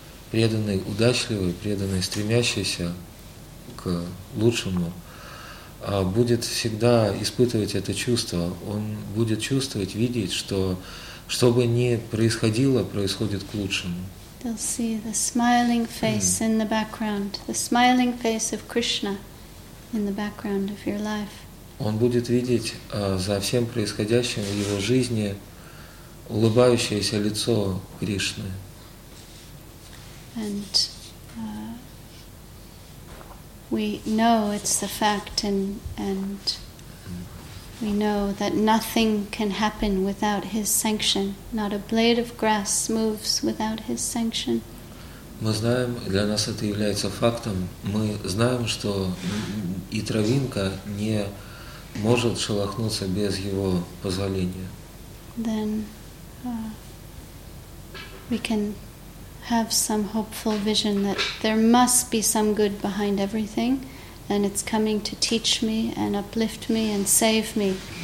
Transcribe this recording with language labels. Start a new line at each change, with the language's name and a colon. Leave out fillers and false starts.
Russian: Преданный, удачливый, преданный, стремящийся к лучшему, будет всегда испытывать это чувство. Он будет чувствовать, видеть, что бы ни происходило, происходит к лучшему.
English: They'll see the smiling face in the background, the smiling face of Krishna in the background of your life.
Russian: Он будет видеть за всем происходящим в его жизни улыбающееся лицо Кришны.
English: And we know it's a fact, and we know that nothing can happen without his sanction. Not a blade of grass moves without his sanction.
Russian: Мы знаем, для нас это является фактом. Мы знаем, что и травинка не может шелохнуться без его позволения.
English: Then we can have some hopeful vision that there must be some good behind everything, and it's coming to teach me and uplift me and save me.